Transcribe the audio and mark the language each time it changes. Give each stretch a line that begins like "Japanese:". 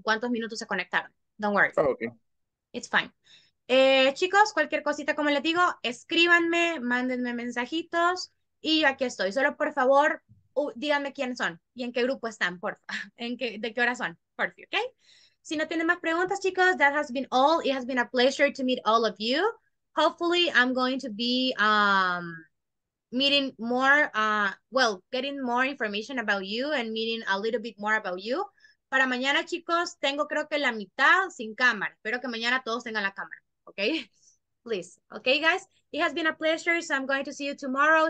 Spanish: ¿Cuántos minutos se conectaron?
English: Don't worry. Okay. It's fine.
Spanish: Chicos, cualquier cosita, como les digo, escríbanme, mándenme mensajitos y yo aquí estoy. Solo, por favor, díganme quiénes son y en qué grupo están, porfa. ¿De qué hora son? Porfa, ¿ok? Si no tienen más preguntas, chicos,
English: that has been all. It has been a pleasure to meet all of you. Hopefully, I'm going to be meeting more, getting more information about you and meeting a little bit more about you.
Spanish: Para mañana, chicos, tengo creo que la mitad sin cámara. Espero que mañana todos tengan la cámara, okay?
English: Please, okay, guys? It has been a pleasure, so I'm going to see you tomorrow.